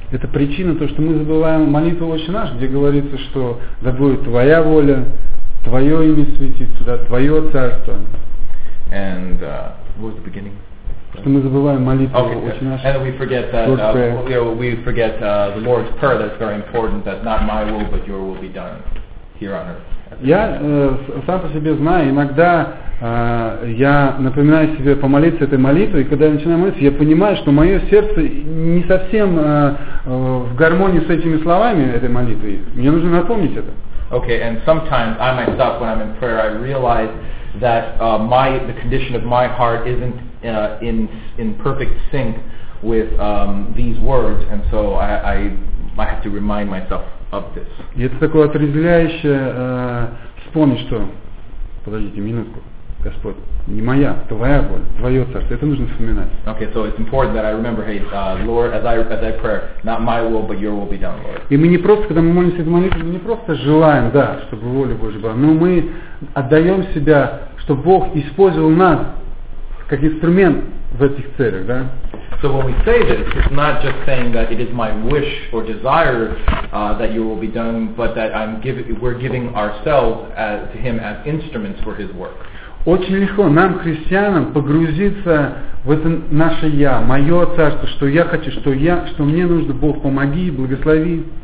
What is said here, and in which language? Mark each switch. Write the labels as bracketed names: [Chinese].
[Russian] Это причина то, что мы забываем молитву «Отче наш», где говорится, что да будет твоя воля, твое имя святится, да, твое царство. [English] And what was the beginning? [Russian] Что мы забываем молитву «Отче наш». [English] And we forget that we forget the Lord's prayer. That's very important. That not my will but your will be done here on earth. [Russian] Я сам по себе знаю, иногда я напоминаю себе помолиться этой молитвой, и когда я начинаю молиться, я понимаю, что мое сердце не совсем в гармонии с этими словами этой молитвы. Мне нужно напомнить это. [English] Okay, and sometimes I myself, when I'm in prayer, I realize that the condition of my heart isn't in perfect sync with these words, and so I have to remind myself. [Russian] И это такое отрезвляющее вспомнить, что подождите минутку, Господь, не моя, твоя воля, твое царство. Это нужно вспоминать. [English] Okay, so it's important that I remember, hey, Lord, as I pray, not my will, but your will be done, Lord. [Russian] И мы не просто, когда мы молимся эту молитву, мы не просто желаем, да, чтобы воля Божья была, но мы отдаем себя, чтобы Бог использовал нас как инструмент в этих целях, да? [English] So when we say this, it's not just saying that it is my wish or desire that your will be done, but that we're giving ourselves to Him as instruments for His work. [Russian] Очень легко нам, христианам, погрузиться в это наше «я», мое царство, что я хочу, что мне нужно, Бог, помоги, благослови.